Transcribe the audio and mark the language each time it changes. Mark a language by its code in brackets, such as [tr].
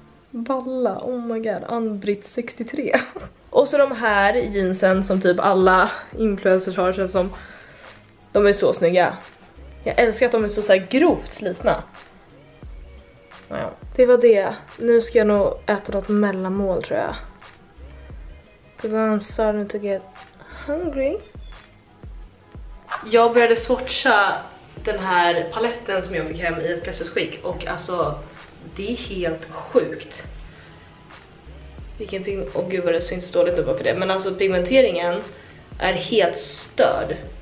[sv] Balla. [en] Oh my god. [sv] Ann-Britt 63. Och så de här jeansen som typ alla influencers har. Känns som... De är så snygga. Jag älskar att de är så här grovt slitna. Ja. Det var det. Nu ska jag nog äta något mellanmål tror jag. [en] Because I'm starting to get hungry. [sv] Jag började swatcha den här paletten som jag fick hem i ett pressutskick. Och alltså, det är helt sjukt. Vilken pigment... Åh gud vad det syns dåligt uppe för det. Men alltså pigmenteringen är helt störd.